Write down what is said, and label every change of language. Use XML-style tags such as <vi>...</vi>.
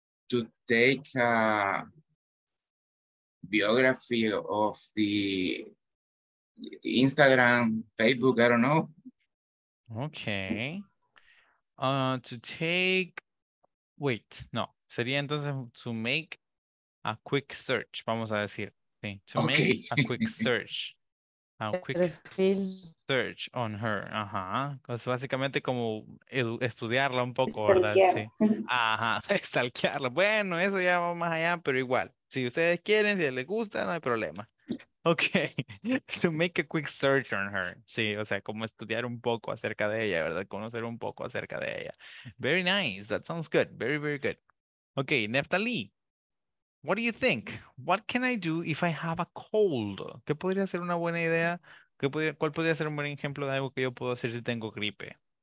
<en>To take a biography of the Instagram, Facebook, I don't know. Okay.</en> <es>Sería entonces</es> <en>to make a quick search,</en> <es>vamos a decir.</es> <en>Sí, make a quick search. A quick search on her. Ajá.</en> <es>Pues básicamente como estudiarla un poco, ¿verdad? Sí. Ajá. Stalkearla. Bueno, eso ya va más allá, pero igual. Si ustedes quieren, si les gusta, no hay problema. Ok.</es> <en>To make a quick search on her.</en> <es>Sí, o sea, como estudiar un poco acerca de ella, ¿verdad? Conocer un poco acerca de ella.</es> <en>Very nice. That sounds good. Very, very good. Ok, Neftalí. What do you think? What can I do if I have a cold?</en> <es>¿Qué podría ser una buena idea? ¿Cuál podría ser un buen ejemplo de algo que yo puedo hacer si tengo gripe?</es>